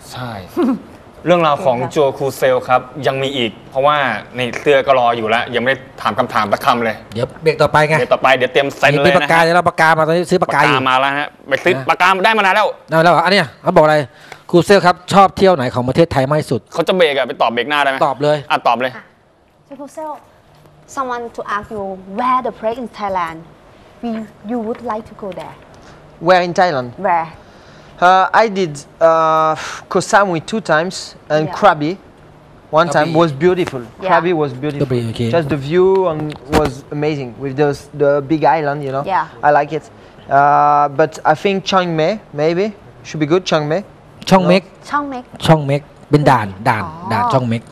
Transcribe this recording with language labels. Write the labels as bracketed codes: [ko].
[th] ใช่เรื่องราวของโจคูเซลครับยังมีอีกเพราะว่าในเสื้อก็รออยู่แล้วยังไม่ได้ถามคำถามสักคำเลย เดี๋ยวเบรกต่อไปไง เบรกต่อไปเดี๋ยวเตรียมเซ็นเลยนะ มีปากกาเดี๋ยวเราปากกามาตอนนี้ซื้อปากกาอยู่มาแล้วฮะไปซื้อปากกาได้มานานแล้ว ได้แล้วอันนี้เขาบอกอะไรครูเซลครับชอบเที่ยวไหนของประเทศไทยมากสุด เขาจะเบรกอะไปตอบเบรกหน้าได้ไหม ตอบเลย อ่ะตอบเลย [en] ครูเซล someone to ask you where the place in Thailand we you would like to go there where in Thailand where I did Koh Samui two times and Krabi one time was beautiful Krabi was beautiful just the view on was amazing with those the big island you know yeah I like it but I think Chiang Mai maybe should be good Chiang Mai [th] ช่องเม็ก ช่องเม็ก ช่องเม็กเป็นด่านด่านด่านช่องเม็ก